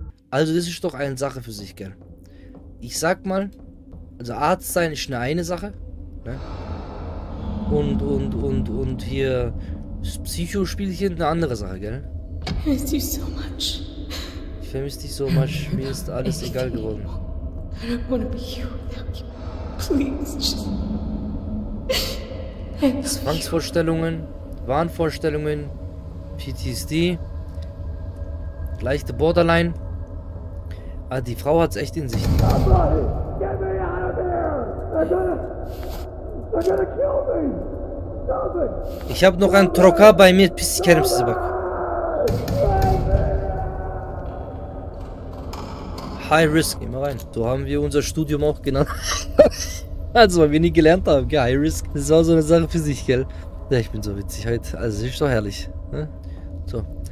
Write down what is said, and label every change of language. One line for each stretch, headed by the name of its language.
German: Also das ist doch eine Sache für sich, gell? Ich sag mal, also Arzt sein ist eine Sache, ne? Und hier das Psychospielchen eine andere Sache, gell?
English: I miss you so much.
German: Ich vermisse dich
English: so much,
German: mir ist alles egal geworden.
English: I don't wanna be here without you. Please, just...
German: Zwangsvorstellungen, Wahnvorstellungen, PTSD, leichte Borderline. Ah, die Frau hat's echt in sich.
English: Somebody, get me out of here! They're gonna kill me! Stop it!
German: Ich hab noch einen Trocker bei mir, Pisskerbsebak. High Risk, geh mal rein. So haben wir unser Studium auch genannt. Also, weil wir nie gelernt haben, gell? High Risk. Das war so eine Sache für sich, gell? Ja, ich bin so witzig heute. Also, es ist so herrlich. Ne? So.